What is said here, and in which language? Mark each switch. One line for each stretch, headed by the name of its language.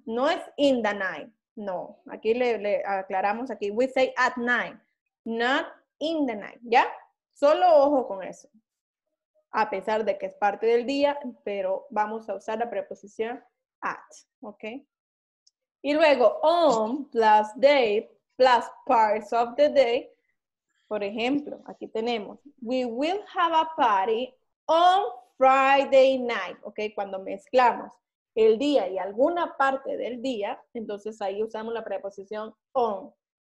Spanish: No es
English: in the night.
Spanish: No, aquí le aclaramos aquí.
English: We say at night. Not in the night, ¿ya?
Spanish: Solo ojo con eso. A pesar de que es parte del día, pero vamos a usar la preposición at, ¿ok? Y luego,
English: on plus day plus parts of the day.
Spanish: Por ejemplo, aquí tenemos,
English: we will have a party on Friday night, ¿ok?
Spanish: Cuando mezclamos el día y alguna parte del día, entonces ahí usamos la preposición on.